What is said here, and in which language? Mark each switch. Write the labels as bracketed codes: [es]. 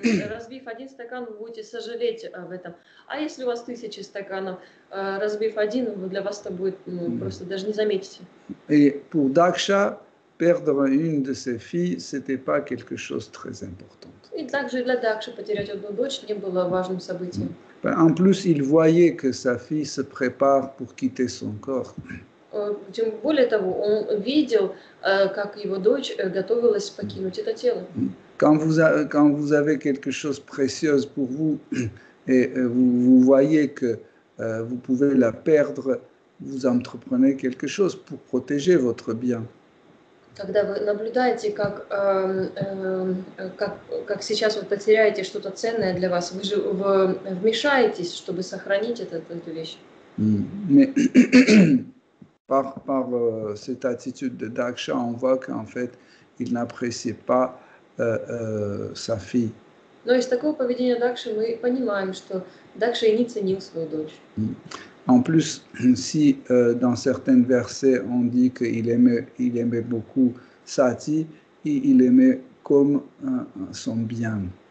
[ru] разбив один стакан, вы будете сожалеть об этом. А если у вас тысячи стаканов, разбив один, для вас это будет просто даже не заметите. И [fr] pour Daksha, perdre une de ses filles, c'était pas quelque chose très important. [ru] И также для Дакши потерять одну дочь не было важным событием. [fr] En plus, il voyait que sa fille se prépare pour quitter son corps. [ru] Тем более того, он видел, как его дочь готовилась покинуть это тело. [fr] Quand vous avez quelque chose de précieux pour vous et vous voyez que vous pouvez la perdre, vous entreprenez quelque chose pour protéger votre bien. [ru] Когда вы наблюдаете, как сейчас вы потеряете что-то ценное для вас, вы же вмешаетесь, чтобы сохранить эту вещь. [fr] Mais par cette attitude de Daksha, on voit qu'en fait, il n'appréciait pas sa fille. [ru] Но из такого поведения Дакши мы понимаем, что Дакша не ценил свою дочь. [fr] En plus, si dans certains versets on dit qu'il aimait beaucoup Sati, il aimait comme son bien.